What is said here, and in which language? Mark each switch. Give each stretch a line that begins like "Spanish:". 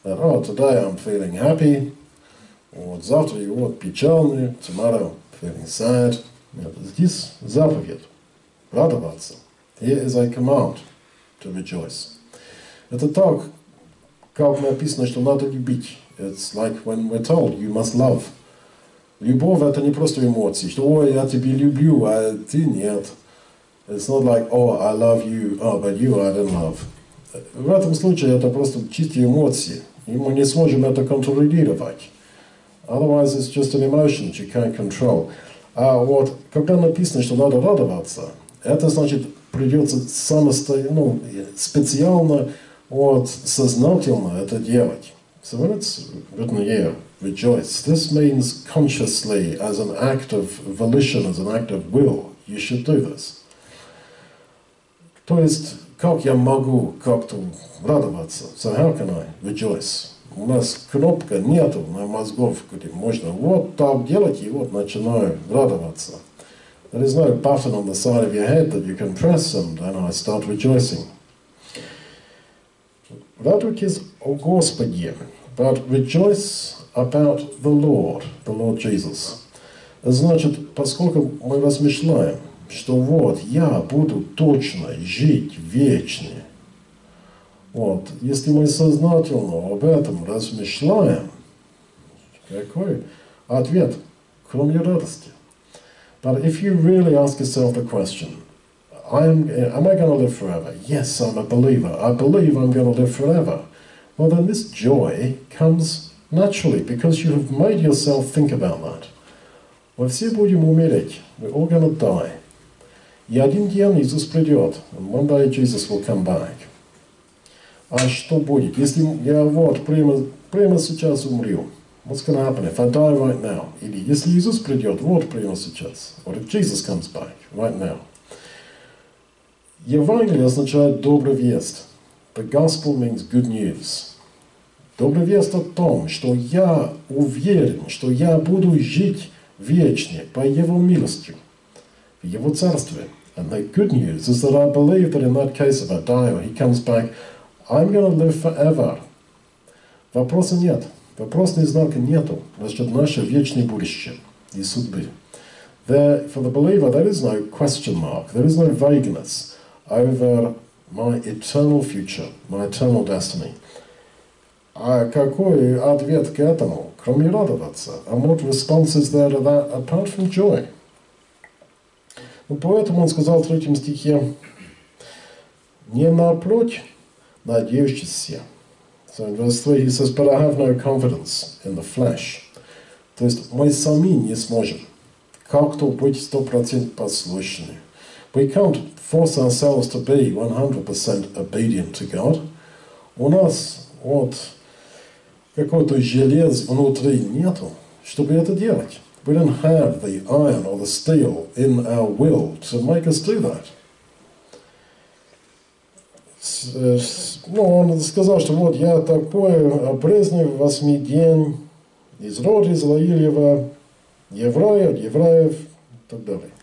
English: Oh, today I'm feeling happy.
Russian: Вот завтра я вот печальный.
English: Tomorrow I'm feeling sad.
Russian: Нет, здесь заповедь. Радоваться.
English: Here is a command to rejoice.
Russian: Это так, как написано, что надо любить.
English: It's like when we're told, you must love.
Russian: Любовь – это не просто эмоции, что «Ой, я тебя люблю, а ты нет».
English: It's not like «Oh, I love you, oh, but you I don't love».
Russian: В этом случае это просто чистые эмоции, и мы не сможем это контролировать.
English: Otherwise, it's just an emotion that you can't control.
Russian: А вот, когда написано, что надо радоваться, это значит, придется самостоятельно, специально, вот, сознательно это делать.
English: So when it's written here, rejoice. This means consciously, as an act of volition, as an act of will, you should do this.
Russian: То есть, как я могу как-то радоваться?
English: So how can I rejoice?
Russian: У нас кнопка нету на мозгов, где можно вот так делать, и вот начинаю радоваться.
English: There is no button on the side of your head that you can press, and then I start rejoicing.
Russian: Радуйтесь о Господе,
English: but rejoice about the Lord Jesus.
Russian: Значит, поскольку мы размышляем, что вот я буду точно жить вечно. Вот, если мы сознательно об этом размышляем, какой ответ, кроме радости?
English: But if you really ask yourself the question, am I going to live forever? Yes, I'm a believer. I believe I'm going to live forever. Well, then this joy comes naturally, because you have made yourself think about that.
Russian: Мы все будем умереть.
English: We're all going to die.
Russian: И один день Иисус придет,
English: and one day Jesus will come back.
Russian: А что будет, если я вот прямо сейчас умру?
English: What's going to happen if I die right now?
Russian: Или если Иисус придет, вот прямо сейчас.
English: What if Jesus comes back right now?
Russian: Евангелие означает добрый вест.
English: The gospel means good news.
Russian: Добрый вест о том, что я уверен, что я буду жить вечно по Его милости, в Его царстве.
English: And the good news is that I believe that in that case, if I die or He comes back, I'm going to live forever.
Russian: Вопроса нет. Вопросный знак нету. Значит, наше вечное будущее и судьбы.
English: There, for the believer, there is no question mark. There is no vagueness over my eternal future, my eternal destiny.
Russian: А какой ответ к этому, кроме радоваться?
English: And what response is there to that apart from joy?
Russian: Ну, поэтому он сказал в 3 стихе, не напротив, надеющийся.
English: So in verse 3 he says, but I have no confidence in the flesh.
Russian: То есть мы сами не сможем как-то быть 100% послушными.
English: We can't force ourselves to be 100% obedient to God.
Russian: У нас вот какого-то железа внутри нету, чтобы это делать.
English: We don't have the iron or the steel in our will to make us do that.
Russian: Ну, он сказал, что вот я такой обрезанный в 8 день из рода Израилева, еврей от евреев, и так далее.